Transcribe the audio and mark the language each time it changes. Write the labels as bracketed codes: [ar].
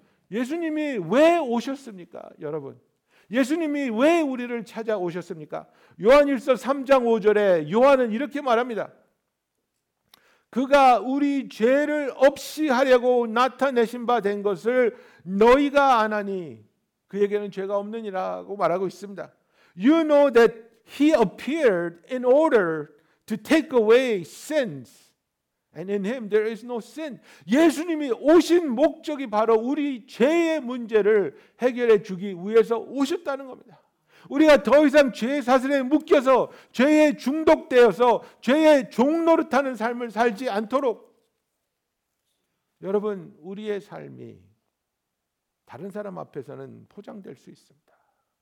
[ko] 예수님이 왜 오셨습니까? 여러분, 예수님이 왜 우리를 찾아오셨습니까? 요한일서 3장 5절에 요한은 이렇게 말합니다. 그가 우리 죄를 없이 하려고 나타내신 바 된 것을 너희가 아나니, 그에게는 죄가 없느니라고 말하고 있습니다. [en] You know that he appeared in order to take away sins. And in him there is no sin. [ko] 예수님이 오신 목적이 바로 우리 죄의 문제를 해결해 주기 위해서 오셨다는 겁니다. 우리가 더 이상 죄의 사슬에 묶여서 죄에 중독되어서 죄의 종노릇하는 삶을 살지 않도록, 여러분 우리의 삶이 다른 사람 앞에서는 포장될 수 있습니다.